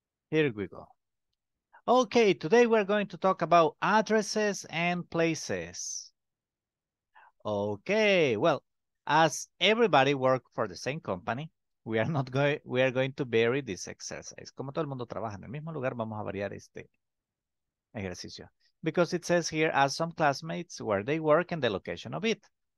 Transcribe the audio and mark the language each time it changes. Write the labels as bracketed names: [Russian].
[English] Here we go. Okay, today we're going to talk about addresses and places. Okay, well, as everybody work for the same company, we are going to vary this exercise. [Spanish] Como todo el mundo trabaja en el mismo lugar, vamos a variar este ejercicio. [English] Because it says here, ask some classmates where they work and the location of it.